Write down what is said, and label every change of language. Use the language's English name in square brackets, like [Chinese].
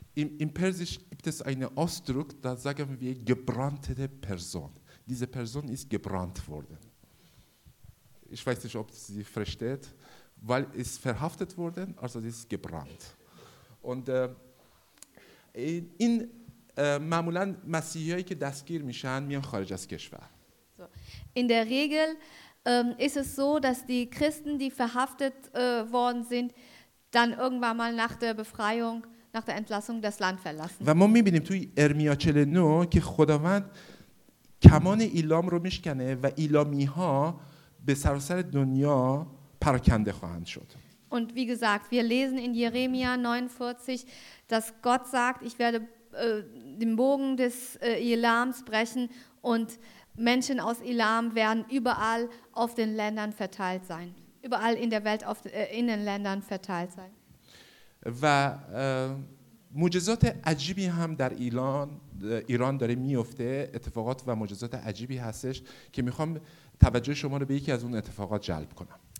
[German] Im Persisch gibt es einen Ausdruck, da sagen wir gebrannte Person. Diese Person ist gebrannt worden. Ich weiß nicht, ob sie versteht, weil es verhaftet wurde, also sie ist gebrannt. Und in [Persian] معمولاً مسیحی‌هایی که دستگیر میشن میان خارج از کشور. [German] In der Regel ist es so, dass die Christen, die verhaftet worden sind, dann irgendwann mal nach der Befreiung, nach der Entlassung das Land verlassen. [Persian] و ما می‌بینیم توی ارمیا 49 که خداوند کمان ایلام رو میشکنه و ایلامی‌ها به سراسر دنیا پراکنده خواهند شد. [German] Und wie gesagt, wir lesen in Jeremia 49, dass Gott sagt, ich werde den Bogen des Elams brechen und Menschen aus Elam werden überall auf den Ländern verteilt sein. Überall in der Welt, in den Ländern verteilt sein. [Persian] و معجزات عجیبی هم در ایران داره میفته، اتفاقات و معجزات عجیبی هستش که میخوام توجه شما رو به یکی از اون اتفاقات جلب کنم.